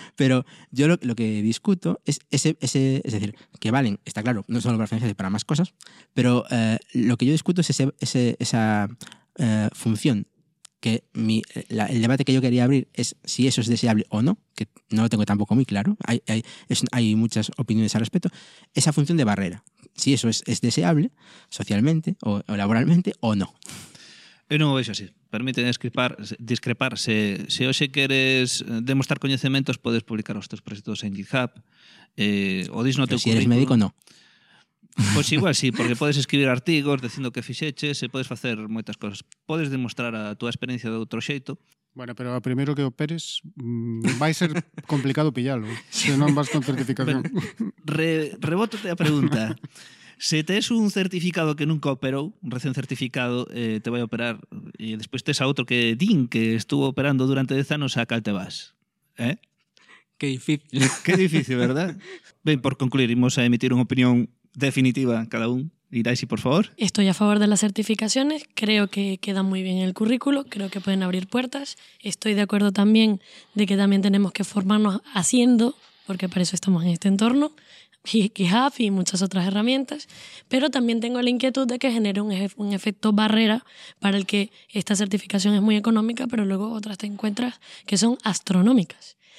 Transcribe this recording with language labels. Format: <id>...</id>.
<es>Pero yo lo que discuto es ese, es decir, que valen, está claro, no solo para financiarse, para más cosas, pero lo que yo discuto es esa función. Que el debate que yo quería abrir es si eso es deseable o no, que no lo tengo tampoco muy claro, hay muchas opiniones al respecto, esa función de barrera, si eso es deseable socialmente o laboralmente o no.</es> <gl>Eu non o vexo así. Permíteme discrepar. Se hoxe queres demostrar coñecementos, podes publicar os teus proxectos en GitHub, o dis no teu currículo. Se eres médico, no. Pois igual sí, porque podes escribir artigos dicindo que fixeches, e podes facer moitas cosas. Podes demostrar a túa experiencia de outro xeito. Bueno, pero a primeiro que operes vai ser complicado pillalo, se non vas con certificación. Rebótote a pregunta. Se tes un certificado que nunca operou, un recén certificado, te vai operar, e despois tes a outro que din que estuvo operando durante 10 anos, a cal te vas? ¿Eh?</gl> <es>Qué difícil. Qué difícil, ¿verdad?</es> <gl>Ben, por concluir, imos a emitir unha opinión definitiva, cada un. Iraisi, por favor.</gl> <es>Estoy a favor de las certificaciones. Creo que queda muy bien el currículo. Creo que pueden abrir puertas. Estoy de acuerdo también de que también tenemos que formarnos haciendo, porque para eso estamos en este entorno, y GitHub y muchas otras herramientas. Pero también tengo la inquietud de que genere un efecto barrera para el que esta certificación es muy económica, pero luego otras te encuentras que son astronómicas.</es>